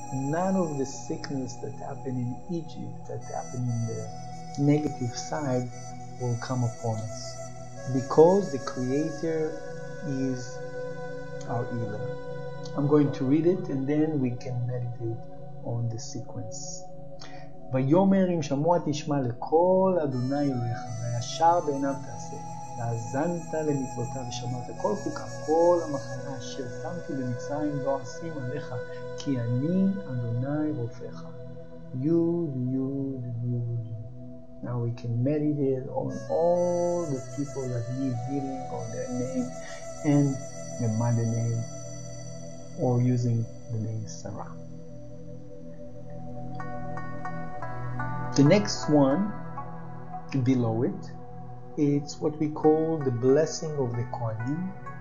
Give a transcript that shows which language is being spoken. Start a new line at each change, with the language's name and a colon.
English: none of the sickness that happened in Egypt, that happened in the negative side, will come upon us, because the Creator is our healer. I'm going to read it and then we can meditate on the sequence.
Hebrew: ויאמר אם שמוע תשמע לכל אדוני אלוהיך וישר בעיניו תעשה והאזנת למצוותיו ושמרת כל חוקיו כל המחנה אשר שמתי במצרים לא אשים עליך כי אני אדוני רופאך. יוד יוד יוד יוד.
English: Now we can meditate on all the people that need healing, on their name and their mother name, or using the name Sarah. The next one below it, it's what we call the blessing of the Kohanim.